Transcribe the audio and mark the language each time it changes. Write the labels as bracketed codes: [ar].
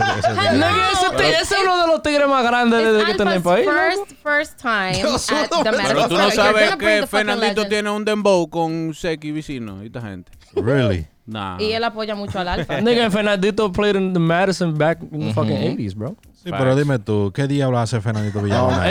[es] Nigga, ese es uno de los tigres más grandes de que tiene el país. [en] First time at the Madison. [es] Pero tú no sabes que Fernandito tiene un dembow con Seki Vecino y esta gente. [en] Really? Nah. [es] Y él apoya mucho al Alfa. [en] Nigga, Fernandito played in the Madison back in the fucking 80s, bro. [es] Sí, pero dime tú, ¿qué diablo hace Fernandito Villalona?